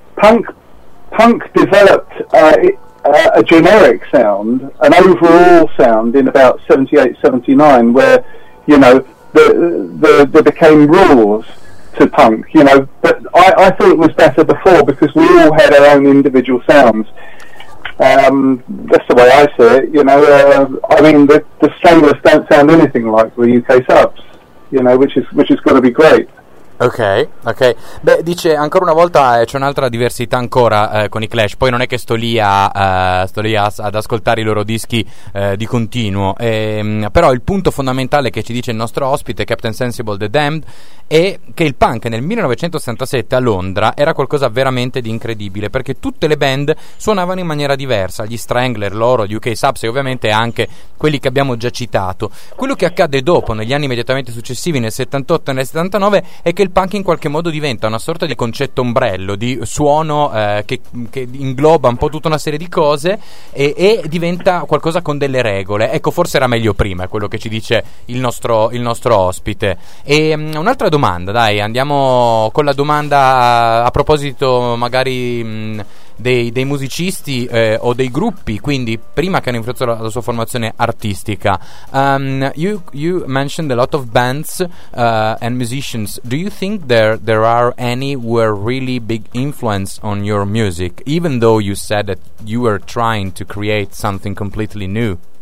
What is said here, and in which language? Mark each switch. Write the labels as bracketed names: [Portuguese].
[English] Punk developed a generic sound, an overall sound, in about 78-79, where there became rules to punk, but I thought it was better before, because we all had our own individual sounds. That's the way I see it, the Stranglers don't sound anything like the UK Subs, which is going to be great. Ok. [Italian] Beh, dice ancora una volta, c'è un'altra diversità ancora con i Clash. Poi non è che sto lì ad ascoltare i loro dischi di continuo. Però il punto fondamentale che ci dice il nostro ospite, Captain Sensible The Damned, è che il punk nel 1967 a Londra era qualcosa veramente di incredibile, perché tutte le band suonavano in maniera diversa, gli Strangler, loro, gli UK Subs e ovviamente anche quelli che abbiamo già citato. Quello che accade dopo, negli anni immediatamente successivi, nel 78 e nel 79, è che il punk in qualche modo diventa una sorta di concetto ombrello, di suono che ingloba un po' tutta una serie di cose e diventa qualcosa con delle regole. Ecco, forse era meglio prima, quello che ci dice il nostro ospite. E un'altra domanda, dai, andiamo con la domanda a proposito magari dei musicisti o dei gruppi, quindi prima che hanno influenzato la sua formazione artistica. [English] You mentioned a lot of bands and musicians. Do you think there are any who are really big influence on your music, even though you said that you were trying to create something completely new?